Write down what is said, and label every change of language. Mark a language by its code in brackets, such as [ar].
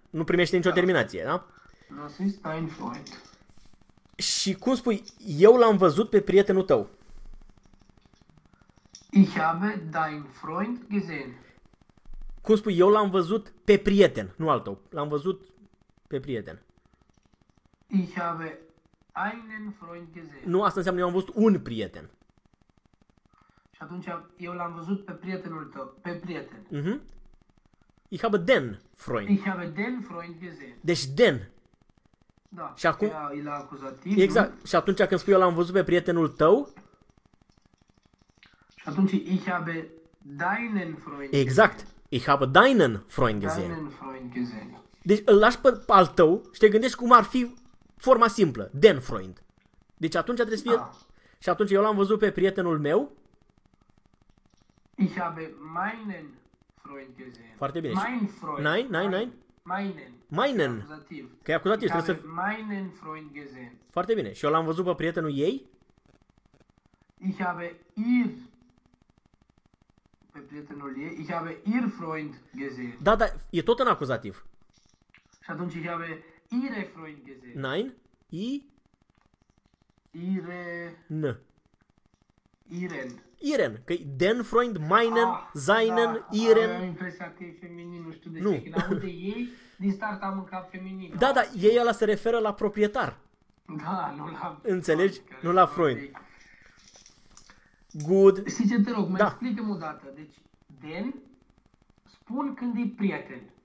[ro] Nu primește nicio terminație, da? [de] Das ist dein Freund. [ro] Și cum spui? Eu l-am văzut pe prietenul tău. [de] Ich habe dein Freund gesehen. [ro] Cum spui, eu l-am văzut pe prieten, nu al tău. L-am văzut pe prieten. [de] Ich habe einen Freund gesehen. [ro] Nu, asta înseamnă eu am văzut un prieten. Și atunci eu l-am văzut pe prietenul tău, pe prieten. [de] Mhm. Ich habe den Freund. Ich habe den Freund gesehen. [ro] Deci den. Da. Și acum el a acuzativ. Exact. Și atunci când spui eu l-am văzut pe prietenul tău, și atunci [de] ich habe deinen Freund. [ro] Exact. [de] Ich habe deinen Freund gesehen. Deinen Freund gesehen. [ro] Deci îl lași pe al tău și te gândești cum ar fi forma simplă. [de] Den Freund. [ro] Deci atunci trebuie să fie... Da. Și atunci eu l-am văzut pe prietenul meu. [de] Ich habe meinen Freund gesehen. [ro] Foarte bine. [de] Mein Freund. Meinen. [ro] Meinen. Că e acuzativ. [de] Ich habe meinen Freund gesehen. [ro] Foarte bine. Și eu l-am văzut pe prietenul ei. [de] Ich habe ihr... [ro] Pe prietenul ei. [de] Ich habe ihr Freund gesehen. [ro] Da, e tot în acuzativ. Și atunci [de] ich habe ihre Freund gesehen. Nein. Ihre. N. Iren. Iren. Că den Freund, meinen, seinen, Iren. [ro] Am impresia că e feminin, nu știu de ce. Nu. Când am de ei, din start am în cap feminin. Da, da, ei ăla se referă la proprietar. Da, nu la... Înțelegi? Nu la Freund. Good. Știi ce, te rog, mai explică-mi o dată. Deci, den, spun când e prieten.